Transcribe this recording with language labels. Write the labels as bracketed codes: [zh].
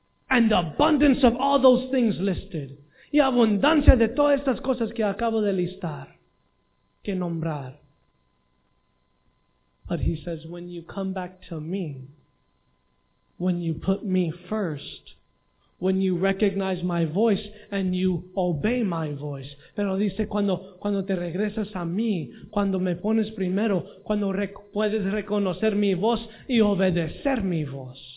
[en] And the abundance of all those things listed. [es] Y abundancia de todas estas cosas que acabo de listar, que nombrar. [en] But he says, when you come back to me, when you put me first, when you recognize my voice and you obey my voice. [es] Pero dice, cuando te regresas a mí, cuando me pones primero, cuando puedes reconocer mi voz y obedecer mi voz.